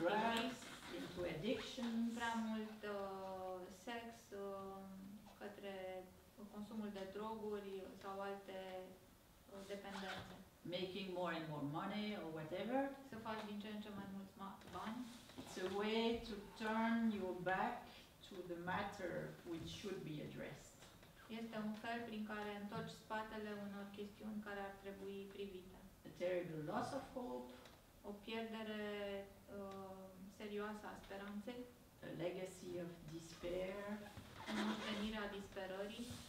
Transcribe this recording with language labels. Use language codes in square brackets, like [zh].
[en] drugs, into addiction. [ro] Prea mult sex către consumul de droguri sau alte o dependență. [en] Making more and more money or whatever. [ro] Să faci din ce în ce mai mulți bani. [en] It's a way to turn your back to the matter which should be addressed. [ro] Este un fel prin care întorci spatele unor chestiuni care ar trebui privite. [en] A terrible loss of hope. [ro] O pierdere serioasă a speranței. [en] A legacy of despair. [ro] O moștenire a disperării.